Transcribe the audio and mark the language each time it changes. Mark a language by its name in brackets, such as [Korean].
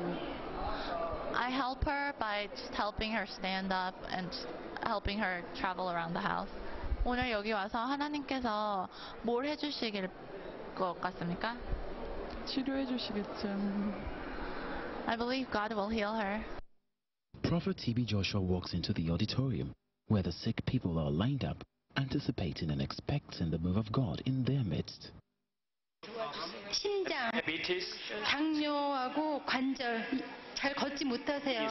[English] I help her by just helping her stand up and helping her travel around the house. [Korean] 오늘 여기 와서 하나님께서 뭘 해주시길 것 같습니까? 치료해주시겠죠. [English] I believe God will heal her. Prophet T.B. Joshua walks into the auditorium, where the sick people are lined up, anticipating and expecting the move of God in their midst. [Korean] 심장, 당뇨하고 관절 잘 걷지 못하세요.